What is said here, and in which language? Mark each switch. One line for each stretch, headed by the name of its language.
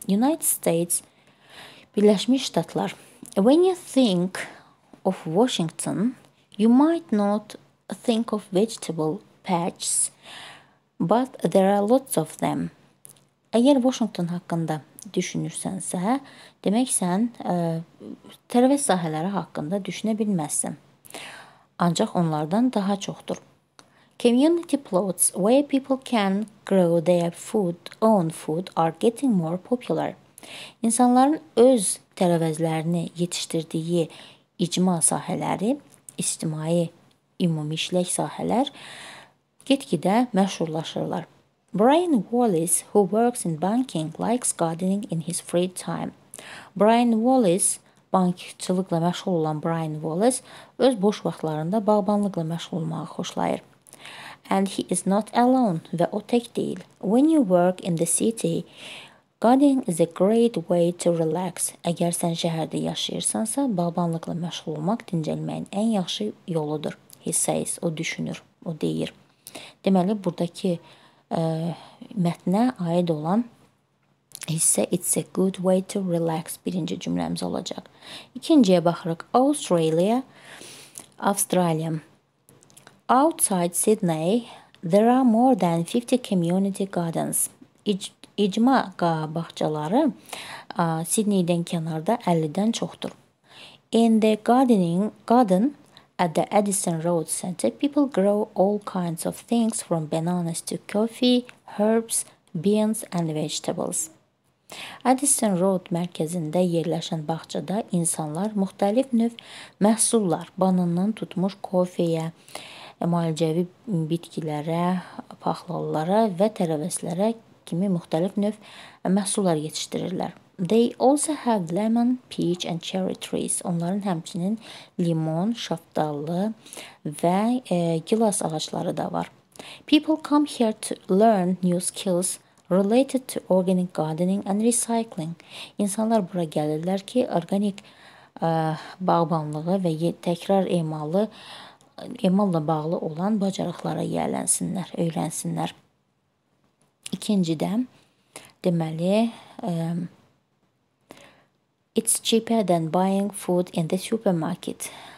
English: United States,
Azerbaijani: Birləşmiş Ştatlar.
English: When you think of Washington, you might not think of vegetable patches, but there are lots of them.
Azerbaijani: Əgər Washington haqqında düşünürsənsə, demək sən tərəvəz sahələri haqqında düşünə bilməzsən. Ancaq onlardan daha çoxdur.
English: Community plots where people can grow their food, own food, are getting more popular.
Azerbaijani: İnsanların öz tərəvəzlərini yetişdirdiyi icma sahələri, ictimai ümumi işlək sahələr get-gedə məşhurlaşırlar.
English: Brian Wallace, who works in banking, likes gardening in his free time.
Azerbaijani: Brian Wallace, bankçılıqla məşğul olan Brian Wallace öz boş vaxtlarında bağbanlıqla məşğul olmağı xoşlayır.
English: And he is not alone.
Azerbaijani: Və o tək deyil.
English: When you work in the city, gardening is a great way to relax.
Azerbaijani: Əgər sən şəhərdə yaşayırsansə, bağbanlıqla məşğul olmaq dincəlməyin ən yaxşı yoludur.
English: He says,
Azerbaijani: o düşünür, o deyir. Deməli, buradakı mətnə aid olan hissə
English: it's a good way to relax
Azerbaijani: birinci cümləmiz olacaq. İkinciyə baxırıq. Australia, Australia.
English: Outside Sydney, there are more than 50 community gardens.
Azerbaijani: İcma bağçaları Sydney-dən kənarda 50-dən çoxdur.
English: In the garden at the Edison Road Center, people grow all kinds of things from bananas to coffee, herbs, beans and vegetables.
Azerbaijani: Edison Road mərkəzində yerləşən bağçada insanlar müxtəlif növ məhsullar, banandan tutmuş kofeyə, müalicəvi bitkilərə, paxlalılara və tərəvəzlərə kimi müxtəlif növ məhsullar yetişdirirlər.
English: They also have lemon, peach and cherry trees.
Azerbaijani: Onların həmçinin limon, şaftalı və gilas ağacları da var.
English: People come here to learn new skills related to organic gardening and recycling.
Azerbaijani: İnsanlar bura gəlirlər ki, orqanik bağbanlığı və təkrar emalı, emalla bağlı olan bacarıqlara yiyələnsinlər, öyrənsinlər. İkincidə, deməli,
English: it's cheaper than buying food in the supermarket.